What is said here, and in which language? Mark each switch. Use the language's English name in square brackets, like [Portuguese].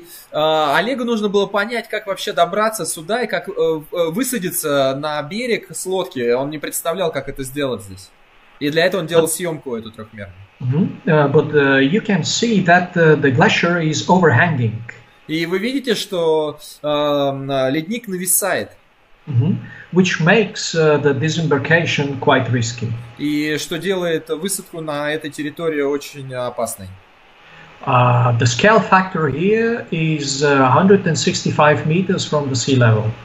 [Russian] Олегу нужно было понять, как вообще добраться сюда и как высадиться на берег с лодки. Он не представлял, как это сделать здесь. И для этого он делал съемку эту трехмерную. [English] You can see that the glacier is overhanging. [Russian] И вы видите, что ледник нависает. [English] Which makes the disembarkation quite risky. [Russian] И что делает высадку на этой территории очень опасной. [English] The scale factor here is 165 meters from the sea level.